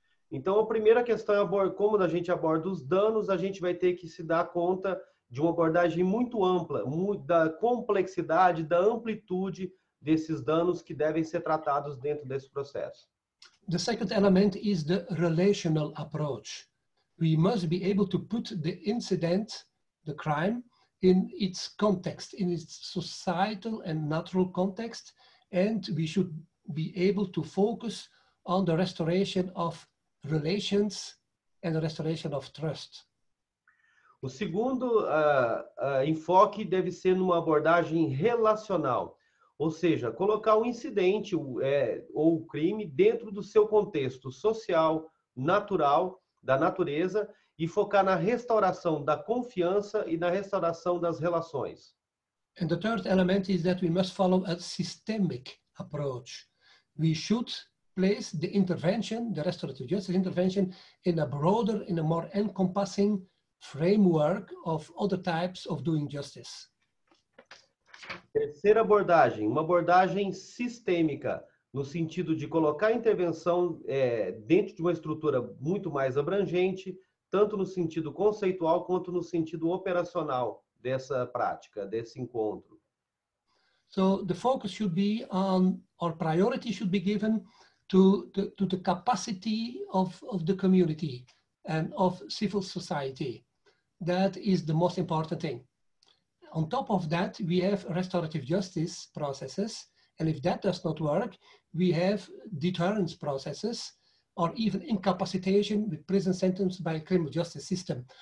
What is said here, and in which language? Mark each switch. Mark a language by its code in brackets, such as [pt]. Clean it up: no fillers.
[pt] Então, a primeira questão é como a gente aborda os danos, a gente vai ter que se dar conta de uma abordagem muito ampla, da complexidade, da amplitude desses danos que devem ser tratados dentro desse processo. [en] The second element is the relational approach. We must be able to put the incident, the crime, in its context, in its societal and natural context, and we should be able to focus on the restoration of relations and the restoration of trust. [pt] O segundo enfoque deve ser numa abordagem relacional, ou seja, colocar um incidente ou um crime dentro do seu contexto social, natural, da natureza, e focar na restauração da confiança e na restauração das relações. [en] And the third element is that we must follow a systemic approach. We should place the intervention, the restorative justice intervention, in a broader, in a more encompassing framework of other types of doing justice. [pt] Terceira abordagem, uma abordagem sistêmica, no sentido de colocar a intervenção dentro de uma estrutura muito mais abrangente, tanto no sentido conceitual quanto no sentido operacional dessa prática, desse encontro. [en] So the focus should be on, or priority should be given to the capacity of the community and of civil society. That is the most important thing. On top of that, we have restorative justice processes, and if that does not work, we have deterrence processes or even incapacitation with prison sentence by a criminal justice system.